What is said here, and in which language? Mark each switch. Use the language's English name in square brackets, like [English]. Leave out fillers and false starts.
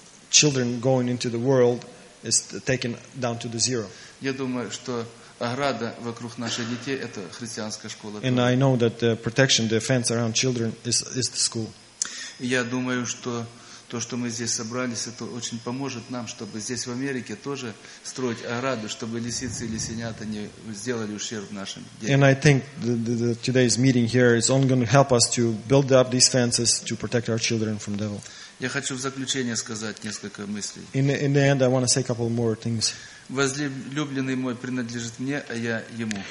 [English] Children going into the world is taken down to the zero. [Russian] Я думаю, что ограда вокруг наших детей – это христианская школа. [English] And I know that the protection, the fence around children is the school. [Russian] Я думаю, что то, что мы здесь собрались, это очень поможет нам, чтобы здесь в Америке тоже строить ограду, чтобы лисицы и лисенята не сделали ущерб нашим детям. [English] And I think the today's meeting here is only going to help us to build up these fences to protect our children from devil. [Russian] Я хочу в заключение сказать несколько мыслей. [English] In the end, I want to say a couple more things. [Russian] Возлюбленный мой принадлежит мне, а я ему.